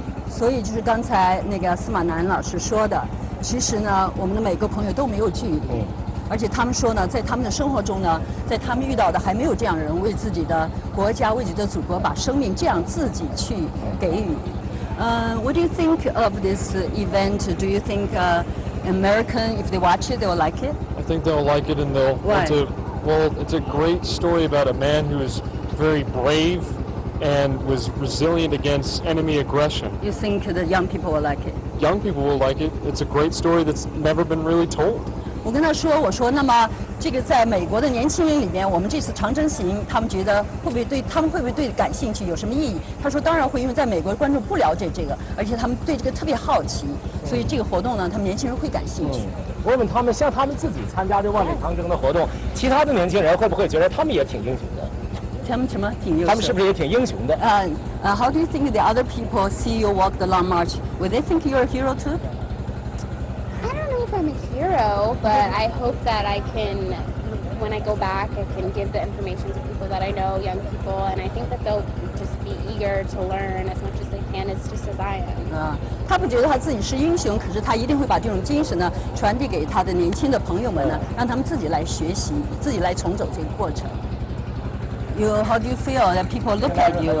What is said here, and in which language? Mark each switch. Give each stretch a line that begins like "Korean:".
Chinese: 所以就是刚才那个司马南老师说的，其实呢，我们的每个朋友都没有距离，而且他们说呢，在他们的生活中呢，在他们遇到的还没有这样人为自己的国家，为自己的祖国把生命这样自己去给予。
English: What do you think of this event? Do you think American, if they watch it, they'll like it? I think they'll like it and they'll want to. Well, it's a great story about a man who is very brave and was resilient against enemy aggression. You think the young people will like it? Young people will like it. It's a great story that's never been really told.
Chinese: 我跟他说，我说那么这个在美国的年轻人里面，我们这次长征行他们觉得会不会对他们会不会对感兴趣，有什么意义？他说当然会，因为在美国观众不了解这个，而且他们对这个特别好奇，所以这个活动呢，他们年轻人会感兴趣。我问他们，像他们自己参加这万里长征的活动，其他的年轻人会不会觉得他们也挺英雄的？他们什么挺英雄？他们是不是也挺英雄的？
English: How do you think the other people see you walk the long march? Will they think you're a hero too? I'm a hero, but I hope that I can, when I go back, I can give the information to people that I know, young people, and I think that they'll just be eager to learn as much as they can, as just as I am.
Chinese: 他不觉得他自己是英雄，可是他一定会把这种精神呢传递给他的年轻的朋友们呢，让他们自己来学习，自己来重走这个过程。
English: How do you feel that people look at you?